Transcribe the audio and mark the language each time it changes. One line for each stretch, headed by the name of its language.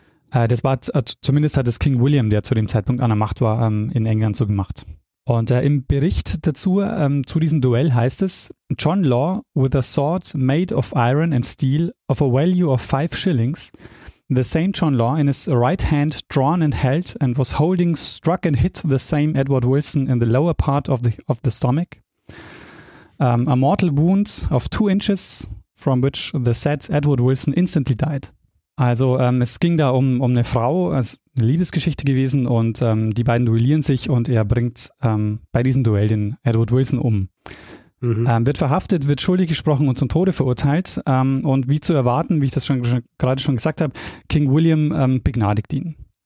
German: Das war zumindest hat es King William, der zu dem Zeitpunkt an der Macht war, in England so gemacht. Und im Bericht dazu, zu diesem Duell heißt es,
English: John Law with a sword made of iron and steel of a value of 5 shillings, the same John Law in his right hand drawn and held and was holding struck and hit the same Edward Wilson in the lower part of the stomach. A mortal wound of 2 inches from which the said Edward Wilson instantly died.
German: Also es ging da um eine Frau, also eine Liebesgeschichte gewesen und die beiden duellieren sich und er bringt bei diesem Duell den Edward Wilson um. Wird verhaftet, wird schuldig gesprochen und zum Tode verurteilt. Und wie zu erwarten, wie ich das gerade schon gesagt habe, King William begnadigt ihn.